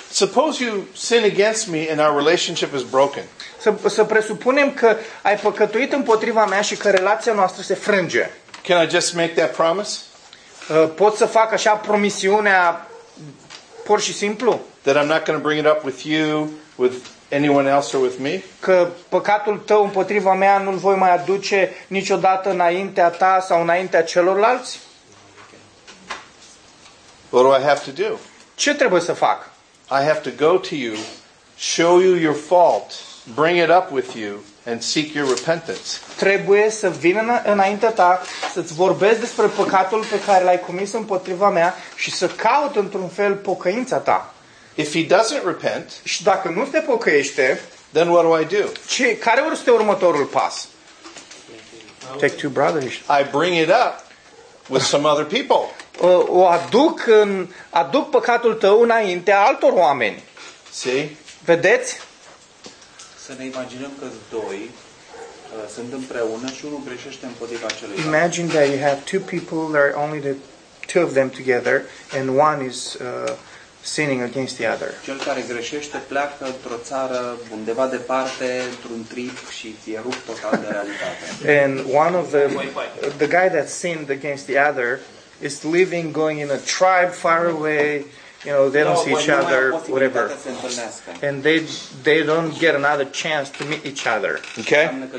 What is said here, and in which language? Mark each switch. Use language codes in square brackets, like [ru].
[en] Suppose you sin against me and our relationship is broken. [ro] Să presupunem că ai păcătuit împotriva mea și că relația noastră se frânge. [en] Can I just make that promise? [ro] Pot să fac așa promisiunea pur și simplu? [en] that I'm not going to bring it up with you, with anyone else or with me? [ro] Că păcatul tău împotriva mea nu-l voi mai aduce niciodată înaintea ta sau înaintea celorlalți? [en] What do I have to do? [ro] Ce trebuie să fac? [en] I have to go to you, show you your fault, bring it up with you, and seek your repentance. [ro] Trebuie să vin înaintea ta, să-ți vorbesc despre păcatul pe care l-ai comis împotriva mea și să caut într-un fel pocăința ta. [en] If he doesn't repent, [ro] și dacă nu se pocăiește, [en] then what do I do? [ro] Ce, care este următorul pas? [en] Take two brothers. I bring it up with some other people. [ro] O aduc, în, aduc păcatul tău înainte altor oameni. [en] See? [ro] Vedeți? Să ne imaginăm că doi sunt împreună și unul greșește împotriva celuilalt. [en] Imagine that you have two people, there are only the two of them together, and one is sinning against the other. [ro] Cel care greșește pleacă într-o țară undeva departe, într-un trip și e rupt total de realitate. [en] And one of the guy that sinned against the other is living, going in a tribe far away, you know, they don't see each other, whatever. And they don't get another chance to meet each other. Okay?